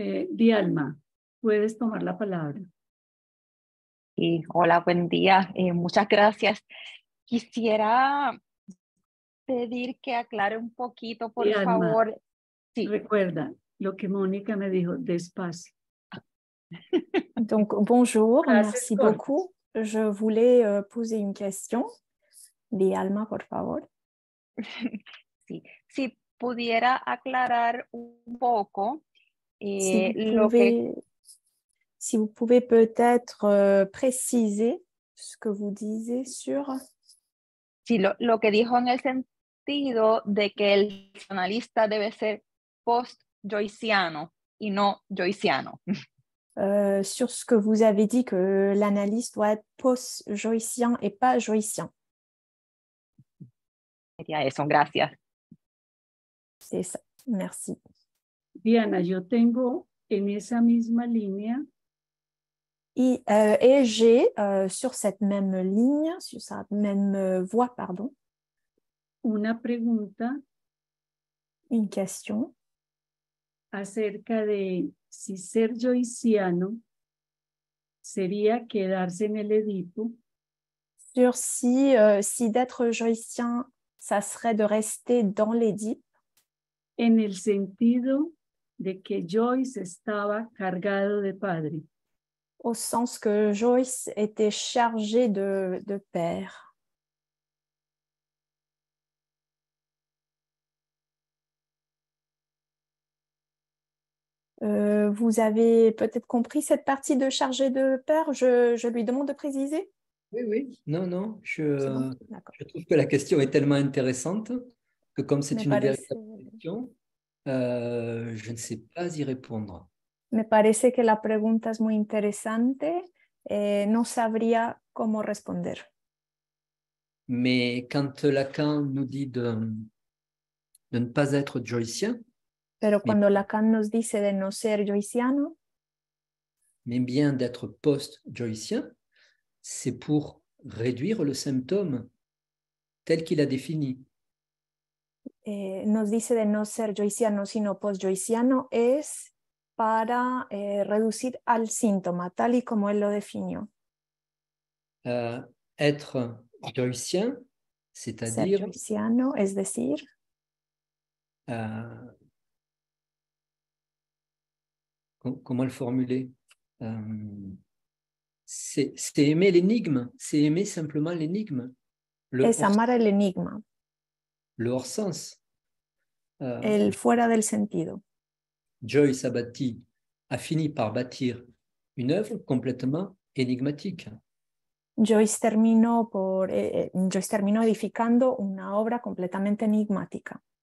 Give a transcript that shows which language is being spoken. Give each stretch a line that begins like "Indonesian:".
Spanish: Dialma, puedes tomar la palabra. Y hola, buen día. Muchas gracias. Quisiera pedir que aclare un poquito, por Diana, favor. Sí. Recuerda lo que Mónica me dijo, despacio.
French: Donc, bonjour, merci beaucoup. Je voulais poser une question.
Spanish: Dialma, por favor. Sí. Si pudiera aclarar un poco
French: Si vous pouvez peut-être préciser ce que vous disiez sur...
Spanish: Si, lo que dijo en el sentido de que el analista debe ser post-joyciano y no joyciano.
French: Sur ce que vous avez dit, que l'analyste doit être post-joycien et pas joycien.
Spanish: Sería eso, gracias.
French: C'est ça, merci.
Spanish: Diana, yo tengo en esa misma línea.
French: Et j'ai sur cette même ligne, sur sa même voie, pardon.
Spanish: una pregunta,
French: une question,
Spanish: acerca de si ser joyciano sería quedarse en el Edipo,
French: sur si si d'être joycien ça serait de rester dans l'Édipe,
Spanish: en el sentido de que Joyce estaba cargado de padre,
French: au sens que Joyce était chargé de père. Vous avez peut-être compris cette partie de chargé de père, je lui demande de préciser. Oui, oui, non, je trouve que la question est tellement intéressante que comme c'est une véritable question, je ne sais pas y répondre.
Spanish: Me parece que la pregunta es muy interesante, no sabría cómo responder.
French: Mais quand Lacan nous dit de ne pas être joycien,
Spanish: pero cuando Lacan nos dice de no ser joyciano,
French: mais bien d'être post-joycien, c'est pour réduire le symptôme tel qu'il a défini.
Spanish: Nos dice de no ser joyciano, sino post-joyciano, es para reducir al síntoma, tal y como él lo definió.
French: Être joycien, c'est-à-dire...
Spanish: Ser joyciano, es decir...
French: comment le formuler? C'est aimer l'énigme, c'est aimer simplement l'énigme.
Spanish: Es amar el enigma.
French: Le hors sens.
Spanish: El fuera del sentido.
French: Joyce a fini par bâtir une œuvre complètement énigmatique.
Spanish: Joyce terminó edificando una obra completamente enigmática.